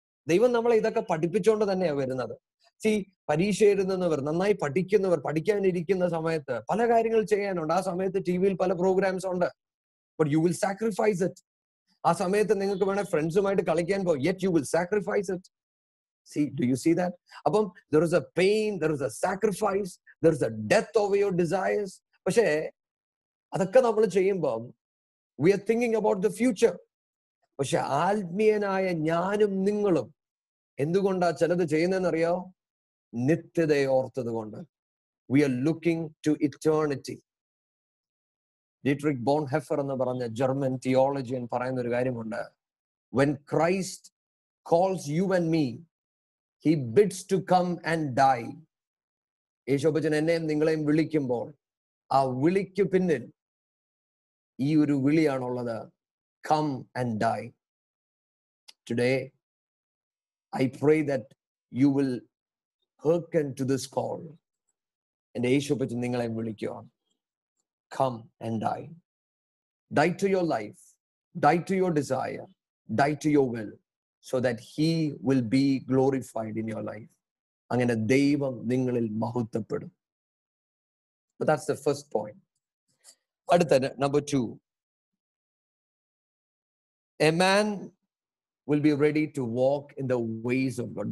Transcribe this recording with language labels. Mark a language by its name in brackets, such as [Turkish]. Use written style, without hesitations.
[Malayalam] ദൈവം നമ്മളെ ഇതൊക്കെ പഠിപ്പിച്ചുകൊണ്ട് തന്നെയാണ് വരുന്നത്. See, പരീക്ഷ എഴുതുന്നവർ, നന്നായി പഠിക്കുന്നവർ, പഠിക്കാനിരിക്കുന്ന സമയത്ത് പല കാര്യങ്ങൾ ചെയ്യാനുണ്ട്. ആ സമയത്ത് ടി വിയിൽ പല പ്രോഗ്രാംസ് ഉണ്ട്. [English] But you will sacrifice it. [Malayalam] ആ സമയത്ത് നിങ്ങൾക്ക് വേണേൽ ഫ്രണ്ട്സുമായിട്ട് കളിക്കാൻ പോകും. [English] Yet you will sacrifice it. See, do you see that? Appam, there is a pain, there is a sacrifice, there is a death over your desires. [Malayalam] പക്ഷെ അതൊക്കെ നമ്മൾ ചെയ്യുമ്പം [English] we are thinking about the future. [Malayalam] പക്ഷെ ആത്മീയനായ ഞാനും നിങ്ങളും എന്തുകൊണ്ടാ ചിലത് ചെയ്യുന്നതെന്ന് അറിയോ? നിത്യതയെ ഓർത്തതുകൊണ്ട്. [English] We are looking to eternity. [Malayalam] Dietrich Bonhoeffer എന്ന് പറഞ്ഞ ജർമ്മൻ തിയോളജിയൻ പറയുന്ന ഒരു കാര്യമുണ്ട്. [English] When Christ calls you and me, he bids to come and die. [Malayalam] യേശോബച്ചൻ എന്നെയും നിങ്ങളെയും വിളിക്കുമ്പോൾ ആ വിളിക്ക് പിന്നിൽ ഈ ഒരു വിളിയാണുള്ളത്, [English] come and die. Today, I pray that you will hearken to this call. [Malayalam] എന്റെ യേശോബച്ചൻ നിങ്ങളെയും വിളിക്കുവാൻ, [English] come and die. Die to your life, die to your desire, die to your will, so that he will be glorified in your life. [Malayalam] Angane devam ningalil mahutappadum. [English] But that's the first point. Adutha number 2, a man will be ready to walk in the ways of God.